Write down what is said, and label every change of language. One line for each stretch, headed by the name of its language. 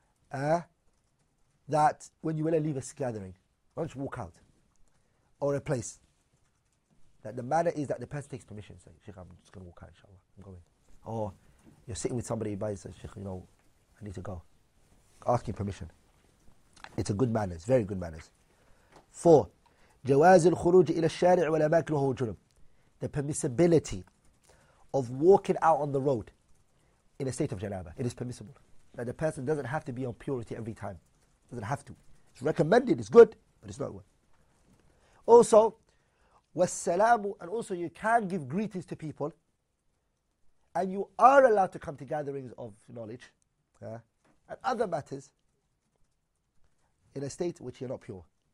English: That when you want to leave a gathering, why don't you walk out? Or a place. That the manner is that the person takes permission. Say, Sheikh, I'm just going to walk out, inshallah. I'm going. Or you're sitting with somebody by, say, Sheikh, you know, I need to go. Asking permission. It's a good manners, very good manners.
Arabic: Four, جواز الخروج إلى الشارع والأماكن وهو جنب.
English: The permissibility of walking out on the road in a state of janaba. It is permissible. That the person doesn't have to be on purity every time. Doesn't have to. It's recommended, it's good, but it's not good. Also, والسلام, and also you can give greetings to people, and you are allowed to come to gatherings of knowledge, yeah, and other matters in a state which you're not pure.